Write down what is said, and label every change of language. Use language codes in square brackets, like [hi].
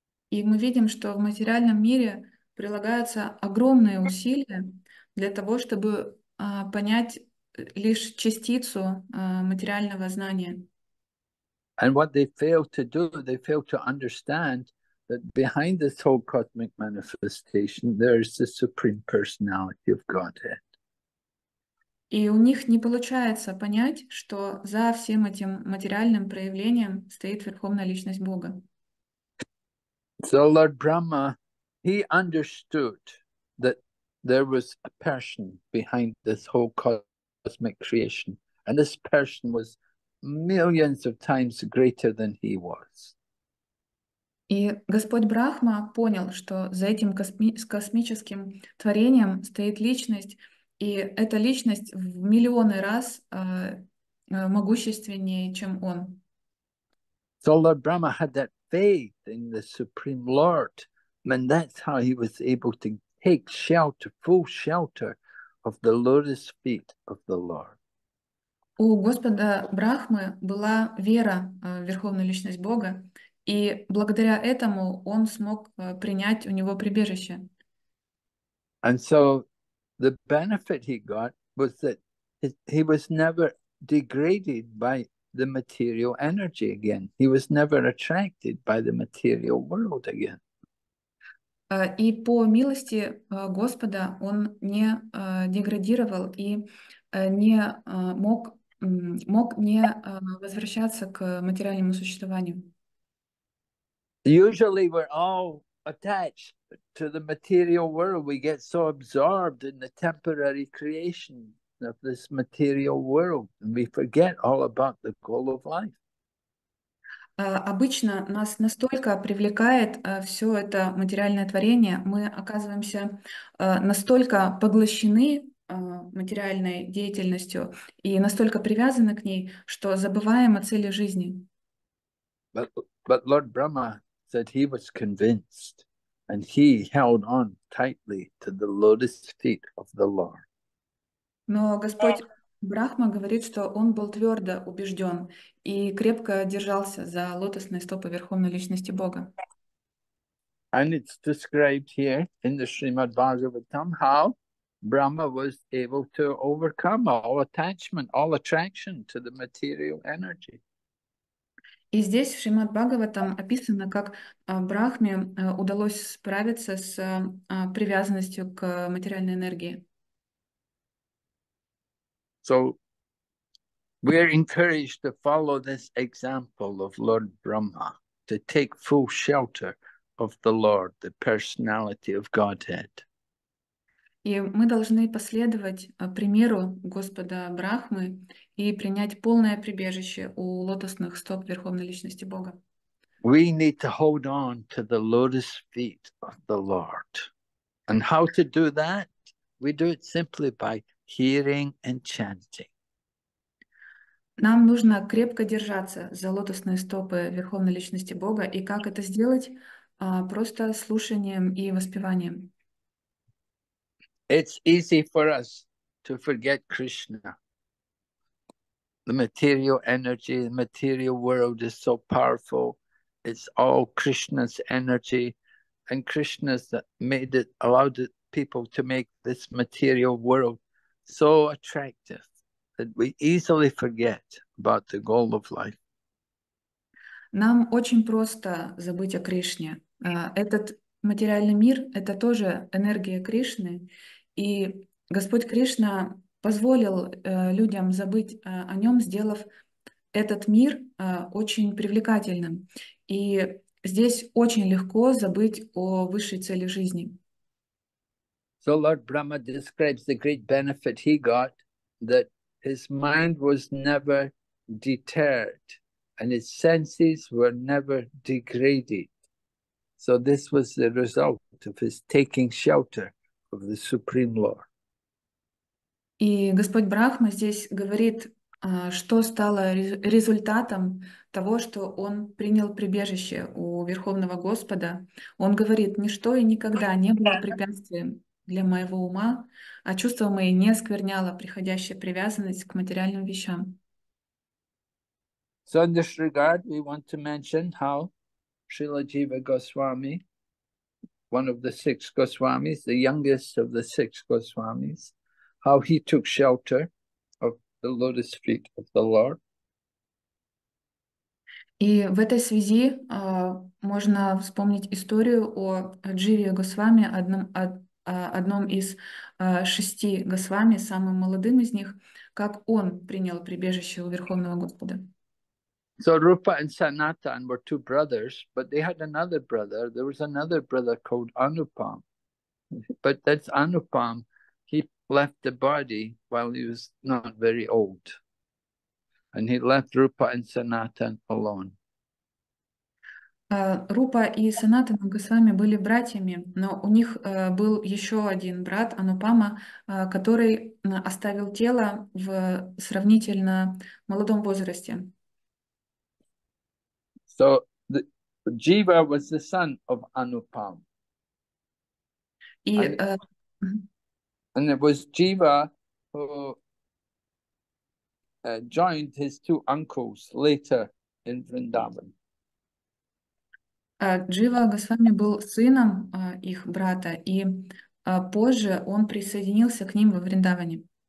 [ru] И мы видим, что в материальном мире прилагаются огромные усилия для того, чтобы понять лишь частицу материального знания. [en] And what they fail to do, they fail to understand that behind this whole cosmic manifestation, there is the Supreme Personality of Godhead. [ru] И у них не получается понять, что за всем этим материальным проявлением стоит Верховная Личность Бога. [en] So Lord Brahma, he understood that there was a person behind this whole cosmic creation, and this person was millions of times greater than he was. [ru] И Господь Брахма понял, что за этим космическим творением стоит личность, и эта личность в миллионы раз могущественнее, чем он. [en] So Lord Brahma had that faith in the Supreme Lord, and that's how he was able to take shelter, full shelter of the lotus feet of the Lord. [ru] У Господа Брахмы была вера в Верховную Личность Бога, и благодаря этому он смог принять у него прибежище. [en] And so the benefit he got was that He was never degraded by the material energy again. He was never attracted by the material world again. [ru] И по милости Господа он не деградировал и не мог не возвращаться к материальному существованию. [en] Usually we're all attached to the material world. We get so absorbed in the temporary creation of this material world, and we forget all about the goal of life. [ru] Обычно нас настолько привлекает все это материальное творение, мы оказываемся настолько поглощены материальной деятельностью и настолько привязаны к ней, что забываем о цели жизни. [en] But Lord Brahma said he was convinced, and he held on tightly to the lotus feet of the Lord. [ru] Но Господь Брахма говорит, что он был твердо убежден и крепко держался за лотосные стопы Верховной Личности Бога. [en] And it's described here in the Srimad Bhagavatam how Brahma was able to overcome all attachment, all attraction to the material energy. [ru] И здесь в Шримад Бхагаватам описано, как Брахме удалось справиться с привязанностью к материальной энергии. [en] So we are encouraged to follow this example of Lord Brahma, to take full shelter of the Lord, the personality of Godhead. [ru] И мы должны последовать примеру Господа Брахмы и принять полное прибежище у лотосных стоп Верховной Личности Бога. [en] We need to hold on to the lotus feet of the Lord. And how to do that? We do it simply by hearing and chanting. [ru] Нам нужно крепко держаться за лотосные стопы Верховной Личности Бога. И как это сделать? Просто слушанием и воспеванием. [en] It's easy for us to forget Krishna. The material energy, the material world is so powerful. It's all Krishna's energy. And Krishna's that made it, allowed people to make this material world so attractive that we easily forget about the goal of life. [ru] Нам очень просто забыть о Кришне. Этот материальный мир — это тоже энергия Кришны. И Господь Кришна позволил людям забыть о нем, сделав этот мир очень привлекательным. И здесь очень легко забыть о высшей цели жизни. [en] So Lord Brahma describes the great benefit he got, that his mind was never deterred and his senses were never degraded. So this was the result of his taking shelter of the Supreme Lord. [ru] И Господь Брахма здесь говорит, что стало результатом того, что он принял прибежище у Верховного Господа. Он говорит, ничто и никогда не было препятствием для моего ума, а чувство мое не оскверняло приходящая привязанность к материальным вещам. [en] So in this regard, we want to mention how Srila Jiva Goswami, one of the six Goswamis, the youngest of the six Goswamis, how he took shelter of the lotus feet of the Lord. [ru] И в этой связи можно вспомнить историю о Дживе Госвами, одном из шести Госвами, самым молодым из них, как он принял прибежище у Верховного Господа. [en] So Rupa and Sanatan were two brothers, but they had another brother. There was another brother called Anupam. But that's Anupam. He left the body while he was not very old. And he left Rupa and Sanatan alone. [ru] Рупа и Санатана Госвами были братьями, но у них был еще один брат, Анупама, который оставил тело в сравнительно молодом возрасте. [en] So, Jiva was the son of Anupam. And it was Jiva who joined his two uncles later in Vrindavan. [ru] Джива Госвами был сыном их брата, и позже он присоединился к ним во Вриндаване.